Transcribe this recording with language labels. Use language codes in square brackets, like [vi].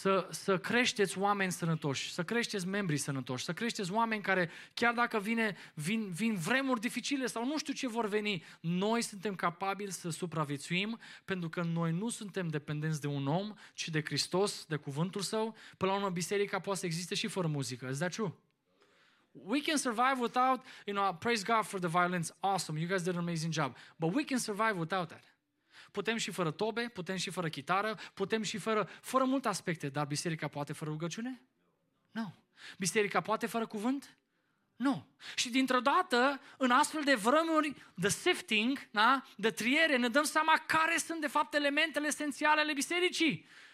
[ro] Să creșteți oameni sănătoși, să creșteți membrii sănătoși, să creșteți oameni care, chiar dacă vin vremuri dificile sau nu știu ce vor veni, noi suntem capabili să supraviețuim, pentru că noi nu suntem dependenți de un om, ci de Hristos, de cuvântul Său. Până la urmă, biserica poate să existe și fără muzică. [en] Is that true? We can survive without, you know, praise God for the violence, awesome, you guys did an amazing job, but we can survive without that. [ro] Putem și fără tobe, putem și fără chitară, putem și fără multe aspecte, dar biserica poate fără rugăciune? Nu. Biserica poate fără cuvânt? Nu. Și dintr-o dată, în astfel de vremuri de sifting, da, de triere, ne dăm seama care sunt de fapt elementele esențiale ale bisericii.